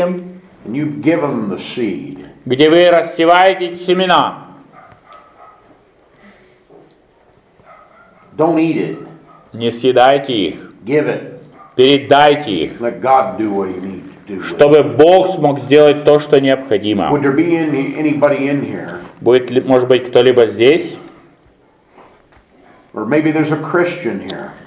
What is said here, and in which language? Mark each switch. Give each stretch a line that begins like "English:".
English: And you've given them the seed.
Russian: Где вы рассеваете семена.
English: Don't eat it.
Russian: Не съедайте их.
English: Give it.
Russian: Передайте их.
English: Let God do what He needs to do.
Russian: Чтобы Бог смог сделать то, что необходимо.
English: Would there be anybody in here?
Russian: Будет ли, может быть, кто-либо здесь?
English: Or maybe there's a Christian here.